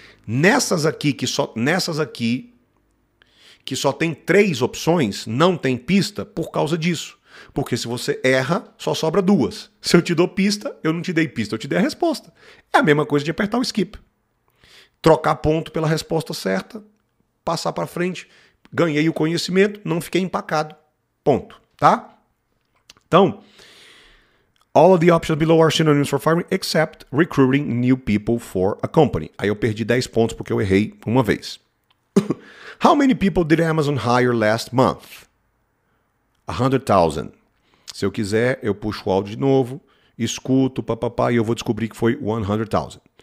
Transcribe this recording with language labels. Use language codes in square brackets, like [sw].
[pt] Nessas aqui que só tem 3 opções, não tem pista por causa disso. Porque se você erra, só sobra 2. Se eu te dou pista, eu não te dei pista, eu te dei a resposta. É a mesma coisa de apertar o skip. Trocar ponto pela resposta certa, passar para frente, ganhei o conhecimento, não fiquei empacado. Ponto, tá? Então, [en] all of the options below are synonyms for firing, except recruiting new people for a company. [pt] Aí eu perdi 10 pontos porque eu errei uma vez. [en] How many people did Amazon hire last month? 100,000. [pt] Se eu quiser, eu puxo o áudio de novo, escuto, papapá, e eu vou descobrir que foi 100,000.